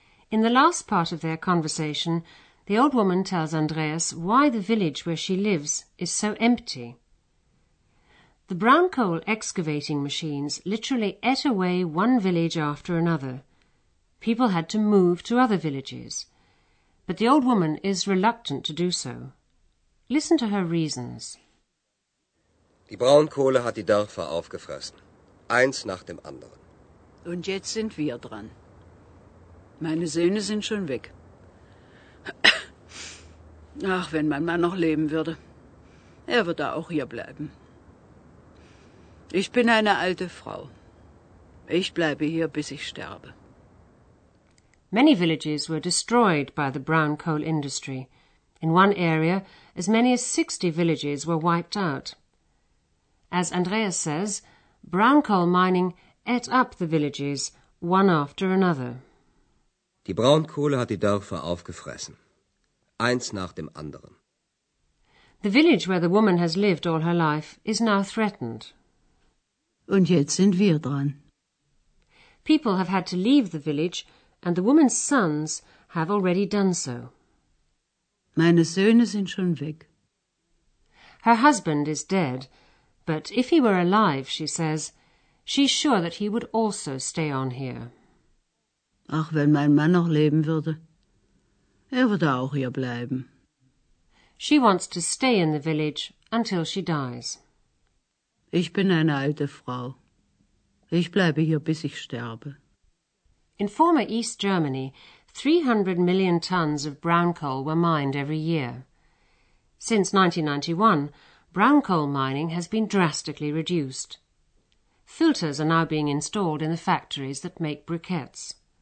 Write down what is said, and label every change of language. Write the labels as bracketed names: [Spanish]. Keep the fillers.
[English] In the last part of their conversation, the old woman tells Andreas why the village where she lives is so empty. The brown coal excavating machines literally ate away one village after another. People had to move to other villages. But the old woman is reluctant to do so. Listen to her reasons. Die [German] Braunkohle hat die Dörfer aufgefressen. Eins nach dem anderen. Und jetzt sind wir dran. Meine Söhne sind schon weg. Ach, wenn mein Mann noch leben würde. Er würde auch hier bleiben. Ich bin eine alte Frau. Ich bleibe hier, bis ich sterbe. [English] Many villages were destroyed by the brown coal industry. In one area, as many as 60 villages were wiped out. As Andreas says, brown coal mining et up the villages one after another. [German] Die Braunkohle hat die Dörfer aufgefressen. Eins nach dem anderen. [English] The village where the woman has lived all her life is now threatened. [German] Und jetzt sind wir dran. [English] People have had to leave the village and the woman's sons have already done so. [German] Meine Söhne sind schon weg. [English] Her husband is dead, but if he were alive, she says, She's sure that he would also stay on here. [German] Ach, wenn mein Mann noch leben würde. Er würde auch hier bleiben. [English] She wants to stay in the village until she dies. [German] Ich bin eine alte Frau. Ich bleibe hier, bis ich sterbe. [English] In former East Germany, 300 million tons of brown coal were mined every year. Since 1991, brown coal mining has been drastically reduced filters are now being installed in the factories that make briquettes.